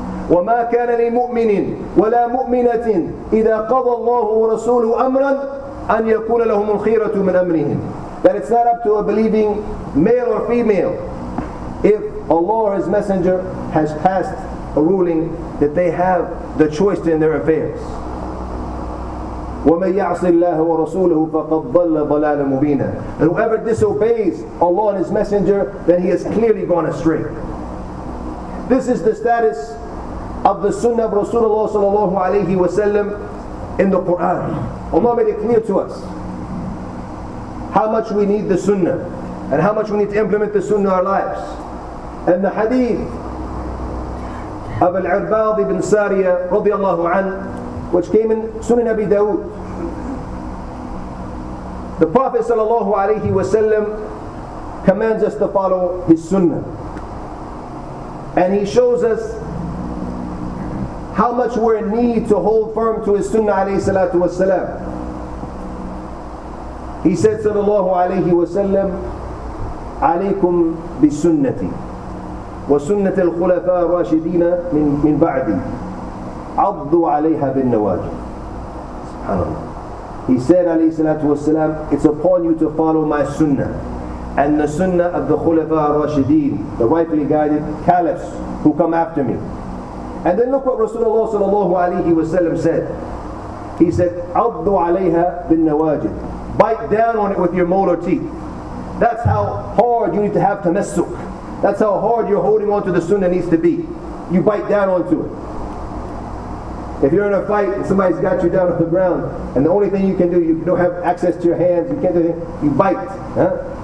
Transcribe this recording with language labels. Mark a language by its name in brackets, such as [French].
[Arabic] وما كان لمؤمن ولا مؤمنة إذا قضى الله ورسوله أمرا أن يكون لهم الخيرة من أمرهم. [English] That it's not up to a believing male or female if Allah or His Messenger has passed a ruling that they have the choice in their affairs. [Arabic] وَمَنْ يَعْصِ اللَّهَ وَرَسُولَهُ فَقَدْ ضَلَّ ضَلَالًا مُبِينًا. [English] And whoever disobeys Allah and His Messenger, then he has clearly gone astray. This is the status of the Sunnah of Rasulullah sallallahu alayhi wa sallam in the Quran. Allah made it clear to us how much we need the Sunnah and how much we need to implement the Sunnah in our lives. And the hadith of Al-Irbad ibn Sariya radiallahu anhu, which came in Sunan Abi Dawood. The Prophet sallallahu alayhi wa sallam commands us to follow his Sunnah. And he shows us how much we're in need to hold firm to his Sunnah alayhi salatu wa salam. He said sallallahu alayhi wa sallam, [Arabic] عليكم بسنتي وسنة الخلفاء الراشدين من بعدي عضوا عليها بالنواجذ. SubhanAllah. [English] He said alayhi salatu wa salam, it's upon you to follow my Sunnah and the Sunnah of the Khulafa Rashideen, the rightfully guided caliphs who come after me. And then look what Rasulullah sallallahu alayhi wa sallam said. He said, [Arabic] عضوا عليها بالنواجذ. [English] Bite down on it with your molar teeth. That's how hard you need to have tamassuk. That's how hard you're holding on to the Sunnah needs to be. You bite down onto it. If you're in a fight and somebody's got you down on the ground, and the only thing you can do, you don't have access to your hands, you can't do anything, you bite. Huh?